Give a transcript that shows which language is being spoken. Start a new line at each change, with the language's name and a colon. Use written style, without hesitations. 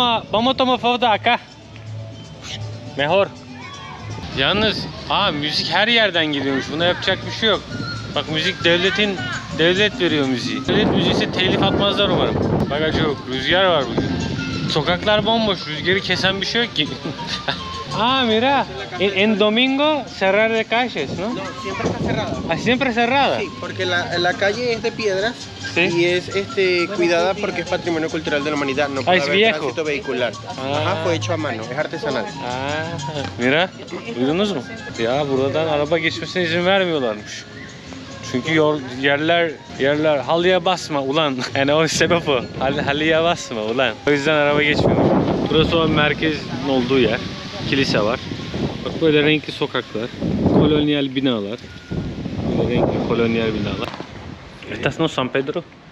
Spanish: Vamos toma foto acá. Mejor.
Turkish: Yalnız, müzik her yerden geliyormuş. Buna yapacak bir şey yok. Bak müzik devlet veriyor müziği. Devlet müziği ise telif atmazlar umarım. Bak acık, rüzgar var bugün. Sokaklar bomboş, rüzgarı kesen bir şey yok ki.
Spanish: mira, en domingo cerrar de calles, ¿no? No, siempre está cerrada. ¿Ah, siempre cerrada? Sí, porque la calle es de piedras. ¿Sí? Y es cuidada porque es patrimonio cultural de la humanidad. No puede es haber viejo. Tránsito vehicular. Fue hecho a mano, es artesanal.
Turkish: Mira, duydunuz mu? Ya, buradan araba geçmesine izin vermiyorlarmış. Çünkü yerler halıya basma ulan. Yani o sebep o. Halıya basma ulan. O yüzden araba geçmiyor. Burası o merkezin olduğu yer. Kilise var. Bak böyle renkli sokaklar. Kolonyal binalar. Böyle renkli kolonyal binalar.
Spanish: Estas no San Pedro?